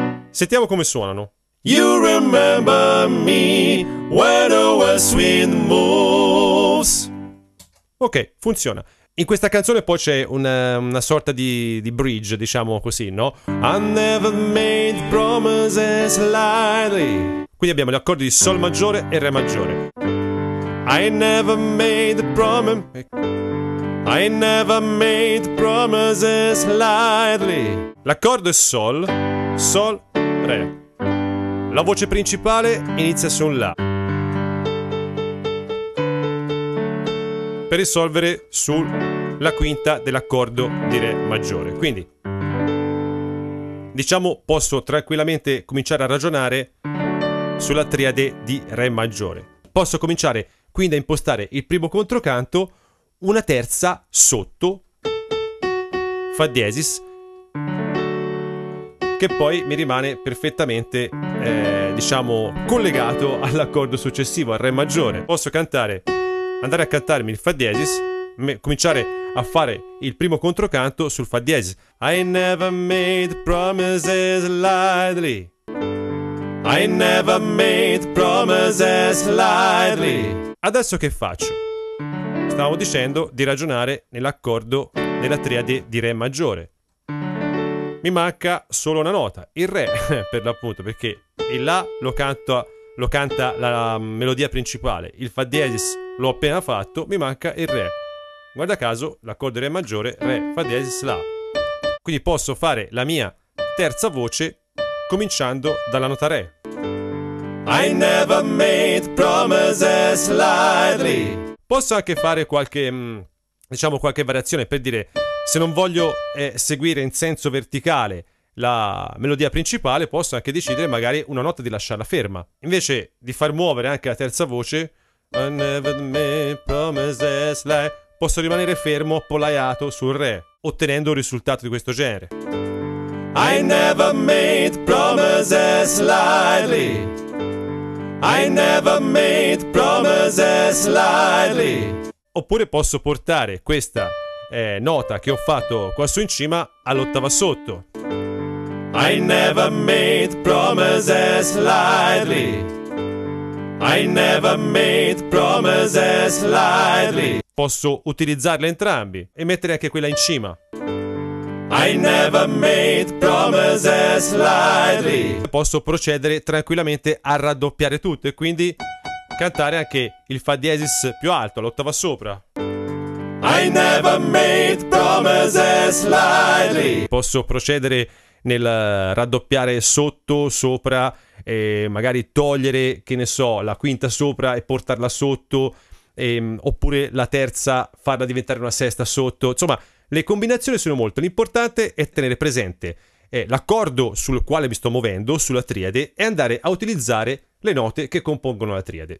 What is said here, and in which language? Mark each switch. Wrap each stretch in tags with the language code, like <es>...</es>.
<it>Sentiamo come suonano.</it> <en>You remember me when the west wind moves.</en> <it>Ok, funziona. In questa canzone poi c'è una sorta di bridge, diciamo così, no?</it> <en>I never made promises lightly.</en> <it>Quindi abbiamo gli accordi di Sol maggiore e Re maggiore.</it> <en>I never made promises. I never made promises lightly.</en> <it>L'accordo è Sol, Sol, Re. La voce principale inizia su un La, per risolvere sulla quinta dell'accordo di Re maggiore. Quindi, diciamo, posso tranquillamente cominciare a ragionare sulla triade di Re maggiore. Posso cominciare quindi a impostare il primo controcanto una terza sotto, Fa diesis, che poi mi rimane perfettamente, diciamo, collegato all'accordo successivo, al Re maggiore. Posso cantare, andare a cantarmi il Fa diesis, cominciare a fare il primo controcanto sul Fa diesis.</it> <en>I never made promises lightly. I never made promises lightly.</en> <it>Adesso che faccio? Stavo dicendo di ragionare nell'accordo della triade di Re maggiore. mi manca solo una nota, il re, per l'appunto, perché il la lo canta la melodia principale, il fa diesis l'ho appena fatto, mi manca il re. Guarda caso, l'accordo re maggiore, re, fa diesis, la. Quindi posso fare la mia terza voce cominciando dalla nota re.</it> <en>I never made promises lightly.</en> <it>Posso anche fare qualche variazione per dire, se non voglio seguire in senso verticale la melodia principale, posso anche decidere magari una nota di lasciarla ferma. Invece di far muovere anche la terza voce,</it> <en>I never made promises lightly,</en> <it>posso rimanere fermo appollaiato sul re, ottenendo un risultato di questo genere.</it> <en>I never made promises lightly. I never made promises lightly.</en> <it>Oppure posso portare questa nota che ho fatto qua su in cima all'ottava sotto.</it> <en>I never made promises lightly. I never made promises lightly.</en> <it>Posso utilizzarle entrambi e mettere anche quella in cima.</it> <en>I never made promises lightly.</en> <it>Posso procedere tranquillamente a raddoppiare tutto e quindi cantare anche il fa diesis più alto, l'ottava sopra.</it> <en>I never made promises lightly.</en> <it>Posso procedere nel raddoppiare sotto, sopra, e magari togliere, che ne so, la quinta sopra e portarla sotto, oppure la terza farla diventare una sesta sotto. Insomma, le combinazioni sono molto. L'importante è tenere presente l'accordo sul quale mi sto muovendo, sulla triade, e andare a utilizzare le note che compongono la triade.</it>